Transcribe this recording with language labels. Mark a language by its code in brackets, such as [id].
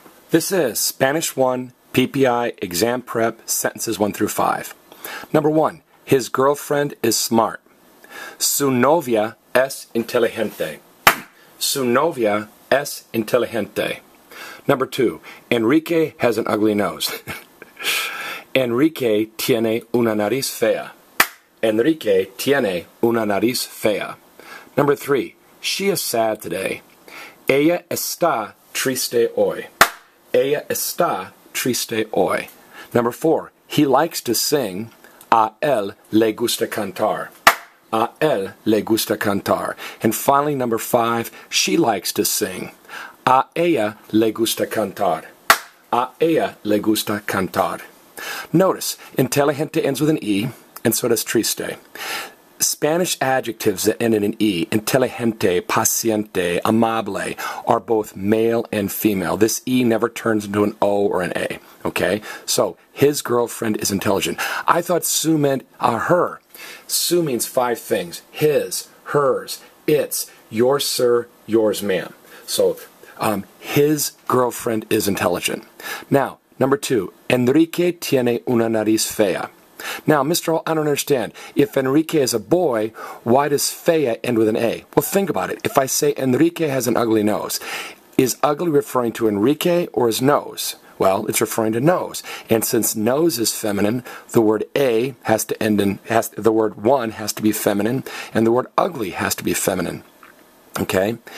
[en] This is Spanish 1 PPI exam prep sentences 1 through 5. Number 1, his girlfriend is smart. [es] Su novia es inteligente. Su novia es inteligente. [en] Number 2, Enrique has an ugly nose. [es] Enrique tiene una nariz fea. Enrique tiene una nariz fea. [en] Number 3, she is sad today. [es] Ella está triste hoy. Ella está triste hoy. [en] Number 4, he likes to sing. [es] A él le gusta cantar. A él le gusta cantar. [en] And finally, number 5, she likes to sing. [es] A ella le gusta cantar. A ella le gusta cantar. [en] Notice, inteligente ends with an E, and so does triste. Spanish adjectives that end in an E, inteligente, paciente, amable, are both male and female. This E never turns into an O or an A, okay? So, his girlfriend is intelligent. I thought su meant her. Su means five things: his, hers, its, your sir, yours ma'am. So, his girlfriend is intelligent. Now, number 2, [es] Enrique tiene una nariz fea. [en] Now, Mr. I don't understand. If Enrique is a boy, why does fea end with an A? Well, think about it. If I say Enrique has an ugly nose, is ugly referring to Enrique or his nose? Well, it's referring to nose. And since nose is feminine, the word A has to end in, the word one has to be feminine, and the word ugly has to be feminine. Okay?